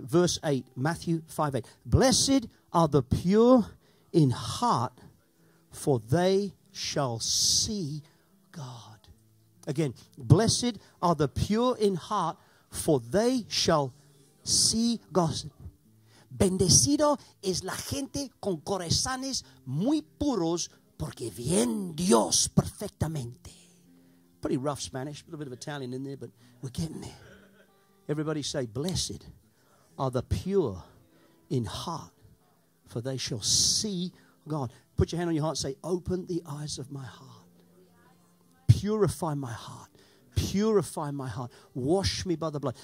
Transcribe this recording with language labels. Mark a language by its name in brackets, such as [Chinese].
[English] Verse 8, Matthew 5, 8. "Blessed are the pure in heart, for they shall see God." Again, "Blessed are the pure in heart, for they shall see God." [Spanish] Bendecido es la gente con corazones muy puros, porque ven Dios perfectamente. [English] Pretty rough Spanish, a little bit of Italian in there, but we're getting there. Everybody say, "Blessed are the pure in heart, for they shall see God." Put your hand on your heart and say, "Open the eyes of my heart. Purify my heart. Purify my heart. Wash me by the blood.